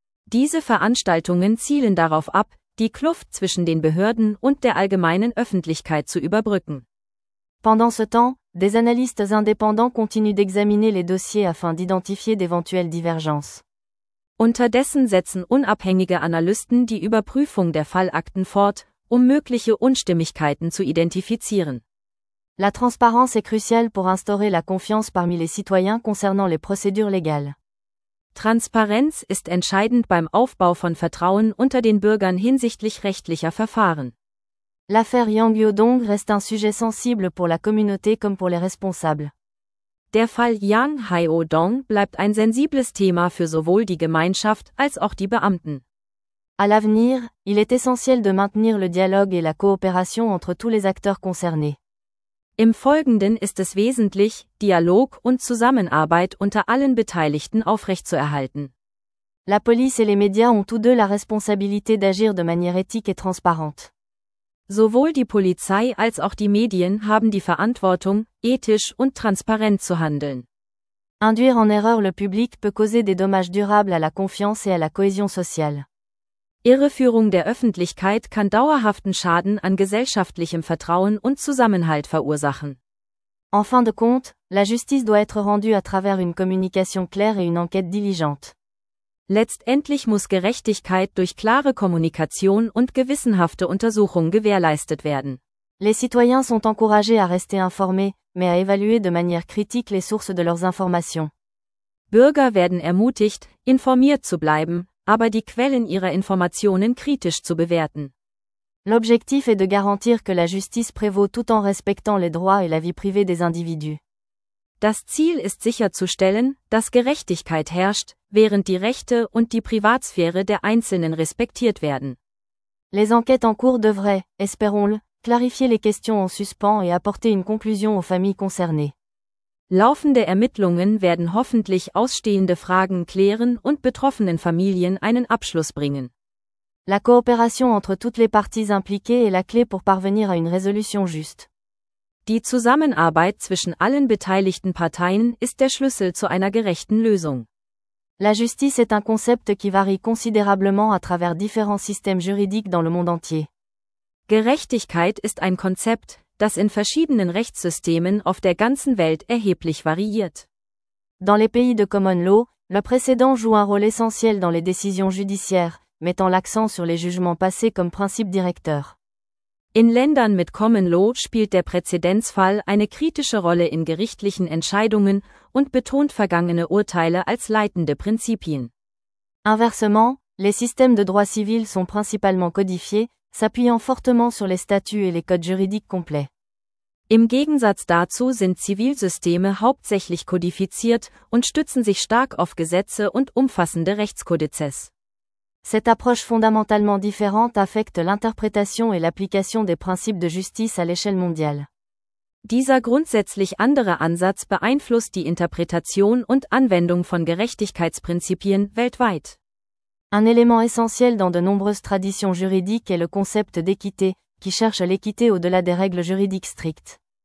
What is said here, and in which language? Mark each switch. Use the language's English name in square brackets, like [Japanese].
[German] Diese Veranstaltungen zielen darauf ab, die Kluft zwischen den Behörden und der allgemeinen Öffentlichkeit zu überbrücken. [French] Pendant ce temps, des analystes indépendants continuent d'examiner les dossiers afin d'identifier d'éventuelles divergences. [German] Unterdessen setzen unabhängige Analysten die Überprüfung der Fallakten fort, um mögliche Unstimmigkeiten zu identifizieren. [French] La transparence est cruciale pour instaurer la confiance parmi les citoyens concernant les procédures légales. [German] Transparenz ist entscheidend beim Aufbau von Vertrauen unter den Bürgern hinsichtlich rechtlicher Verfahren. [French] L'affaire Yang Yodong reste un sujet sensible pour la communauté comme pour les responsables. [German] Der Fall Yang Haiodong bleibt ein sensibles Thema für sowohl die Gemeinschaft als auch die Beamten. [French] À l'avenir, il est essentiel de maintenir le dialogue et la coopération entre tous les acteurs concernés. [German] Im Folgenden ist es wesentlich, Dialog und Zusammenarbeit unter allen Beteiligten aufrechtzuerhalten. [French] La police et les médias ont tous deux la responsabilité d'agir de manière éthique et transparente. [German] Sowohl die Polizei als auch die Medien haben die Verantwortung, ethisch und transparent zu handeln. [French] Induire en erreur le public peut causer des dommages durables à la confiance et à la cohésion sociale. [German] Irreführung der Öffentlichkeit kann dauerhaften Schaden an gesellschaftlichem Vertrauen und Zusammenhalt verursachen. [French] En fin de compte, la justice doit être rendue à travers une communication claire et une enquête diligente. [German] Letztendlich muss Gerechtigkeit durch klare Kommunikation und gewissenhafte Untersuchung gewährleistet werden. [French] Les citoyens sont encouragés à rester informés, mais à évaluer de manière critique les sources de leurs informations. [German] Bürger werden ermutigt, informiert zu bleiben, aber die Quellen ihrer Informationen kritisch zu bewerten. [French] L'objectif est de garantir que la justice prévaut tout en respectant les droits et la vie privée des individus. [German] Das Ziel ist sicherzustellen, dass Gerechtigkeit herrscht, während die Rechte und die Privatsphäre der Einzelnen respektiert werden. [French] Les enquêtes en cours devraient, espérons-le, clarifier les questions en suspens et apporter une conclusion aux familles concernées. [German] Laufende Ermittlungen werden hoffentlich ausstehende Fragen klären und betroffenen Familien einen Abschluss bringen. [French] La coopération entre toutes les parties impliquées est la clé pour parvenir à une résolution juste. [German] Die Zusammenarbeit zwischen allen beteiligten Parteien ist der Schlüssel zu einer gerechten Lösung. [French] La justice est un concept qui varie considérablement à travers différents systèmes juridiques dans le monde entier. [German] Gerechtigkeit ist ein Konzept, das in verschiedenen Rechtssystemen auf der ganzen Welt erheblich variiert. [French] Dans les pays de common law, le précédent joue un rôle essentiel dans les décisions judiciaires, mettant l'accent sur les jugements passés comme principe directeur. [German] In Ländern mit Common Law spielt der Präzedenzfall eine kritische Rolle in gerichtlichen Entscheidungen und betont vergangene Urteile als leitende Prinzipien. [French] Inversement, les systèmes de droit civil sont principalement codifiés, s'appuyant fortement sur les statuts et les codes juridiques complets. [German] Im Gegensatz dazu sind Zivilsysteme hauptsächlich kodifiziert und stützen sich stark auf Gesetze und umfassende Rechtskodizes. [French] Cette approche fondamentalement différente affecte l'interprétation et l'application des principes de justice à l'échelle mondiale. [German] Dieser grundsätzlich andere Ansatz beeinflusst die Interpretation und Anwendung von Gerechtigkeitsprinzipien weltweit. [French] Un élément essentiel dans de nombreuses traditions juridiques est le concept d'équité, qui cherche l'équité au-delà des règles juridiques strictes.